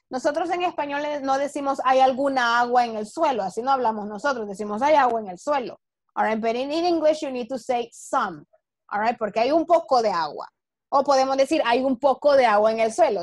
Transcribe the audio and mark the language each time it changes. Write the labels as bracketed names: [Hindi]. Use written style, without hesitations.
[Spanish] Nosotros en español no decimos hay alguna agua en el suelo. Así no hablamos nosotros. Decimos hay agua en el suelo. [English] All right, but in English you need to say some. All right, [Spanish] porque hay un poco de agua. O podemos decir hay un poco de agua en el suelo.